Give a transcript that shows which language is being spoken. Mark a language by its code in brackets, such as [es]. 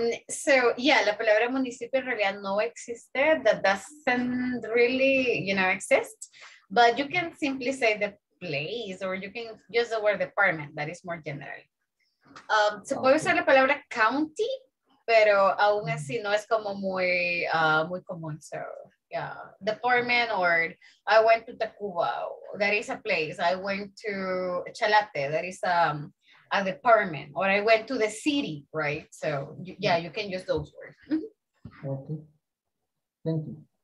[en] So yeah, [es] la palabra municipio en realidad no existe. [en] That doesn't really, you know, exist. But you can simply say the place, or you can use the word department. That is more general. [es] Se puede usar la palabra county, pero aún así no es como muy muy común. [en] So yeah, department, or I went to Tacuba, that is a place. I went to Chalate, that is a department. Or I went to the city, right? So yeah, you can use those words. Okay, thank you.